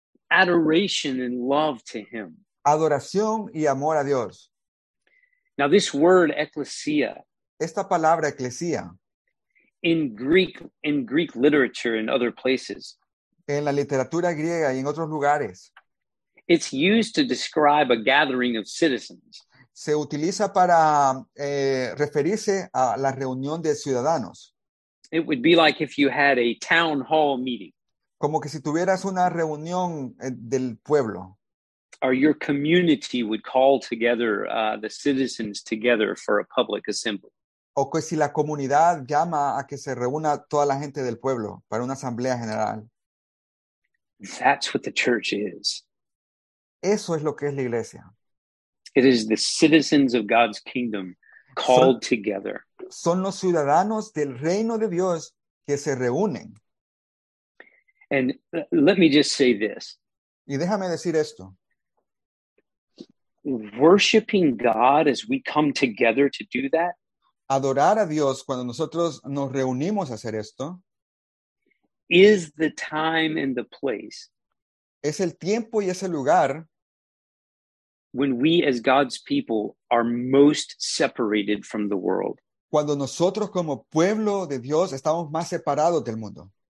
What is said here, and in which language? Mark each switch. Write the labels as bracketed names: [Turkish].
[English] adoration and love to him, [Spanish] adoración y amor a Dios. [English] Now this word ecclesia, [Spanish] esta palabra ecclesia, [English] in Greek literature and other places, [Spanish] en la literatura griega y en otros lugares. [English] It's used to describe a gathering of citizens. [Spanish] Se utiliza para referirse a la reunión de ciudadanos. [English] It would be like if you had a town hall meeting. [Spanish] Como que si tuvieras una reunión del pueblo. [English] Or your community would call together the citizens together for a public assembly. [Spanish] O que si la comunidad llama a que se reúna toda la gente del pueblo para una asamblea general. [English] That's what the church is. [Spanish] Eso es lo que es la iglesia. [English] It is the citizens of God's kingdom called together. [Spanish] Son los ciudadanos del reino de Dios que se reúnen. [English] And let me just say this. [Spanish] Y déjame decir esto. [English] Worshiping God as we come together to do that. [Spanish] Adorar a Dios cuando nosotros nos reunimos a hacer esto. [English] Is the time and the place. [Spanish] Es el tiempo y es el lugar. [English] When we as God's people are most separated from the world. [Spanish] Cuando nosotros como pueblo de Dios estamos más separados del mundo.